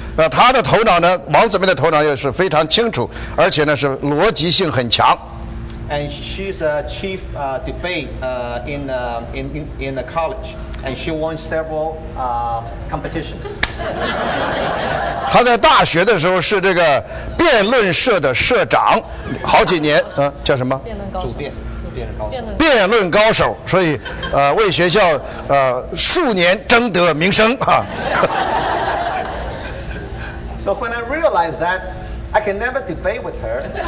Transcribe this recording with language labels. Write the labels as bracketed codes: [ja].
[zh] 他的头脑呢，王子们的头脑也是非常清楚，而且呢是逻辑性很强。 [en] And she's a chief debate in the college, and she won several competitions. [zh] 他在大学的时候是这个辩论社的社长，好几年，叫什么？辩论高手。主辩。辩论高手，所以为学校数年争得名声啊。 [en] So when I realized that, I can never debate with her.